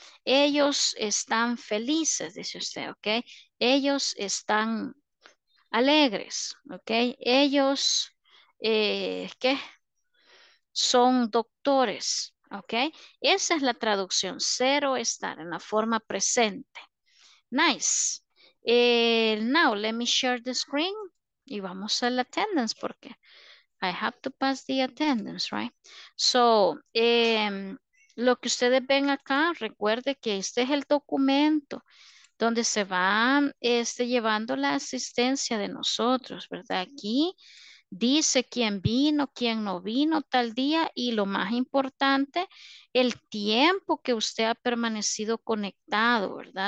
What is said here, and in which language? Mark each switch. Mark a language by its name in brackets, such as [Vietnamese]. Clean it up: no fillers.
[Spanish] Ellos están felices, dice usted, ¿ok? Ellos están alegres, ¿ok? Ellos, ¿qué? Son doctores, ¿ok? Esa es la traducción, ser o estar, en la forma presente. [English] Nice. Now, let me share the screen [Spanish] y vamos al [English] attendance [Spanish] porque [English] I have to pass the attendance, right? [Spanish] So, lo que ustedes ven acá, recuerde que este es el documento donde se va llevando la asistencia de nosotros, ¿verdad? Aquí dice quién vino, quién no vino tal día y lo más importante, el tiempo que usted ha permanecido conectado, ¿verdad?